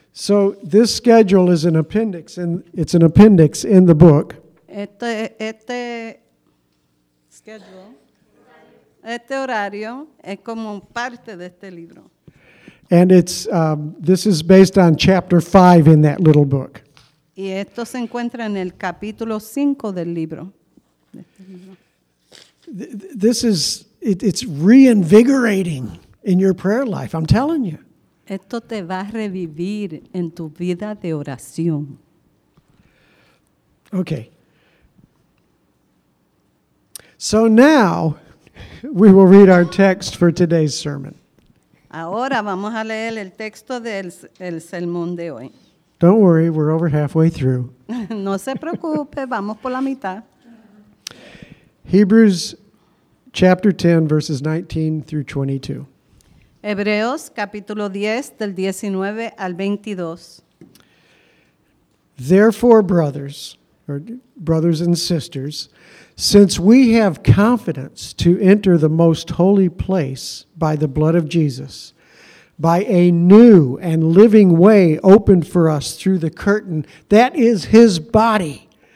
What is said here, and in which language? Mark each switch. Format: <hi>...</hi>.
<en>So this schedule is an appendix, and it's an appendix in the book.</en> <es>Este schedule. Este horario es como parte de este libro.</es> <en>And it's this is based on chapter 5 in that little book.</en> <es>Y esto se encuentra en el capítulo 5 del libro.</es> <en>This is it's reinvigorating in your prayer life, I'm telling you.</en> <es>Esto te va a revivir en tu vida de oración.</es> <en>Okay. So now we will read our text for today's sermon.</en> <es>Ahora vamos a leer el texto del sermón de hoy.</es> <en>Don't worry, we're over halfway through.</en> <es>No se preocupe, vamos por la mitad.</es> <en>Hebrews chapter 10, verses 19 through 22.</en> <es>Hebreos capítulo 10, del 19 al 22.</es> <en>Therefore, brothers and sisters, since we have confidence to enter the most holy place by the blood of Jesus, by a new and living way opened for us through the curtain, that is his body.</en>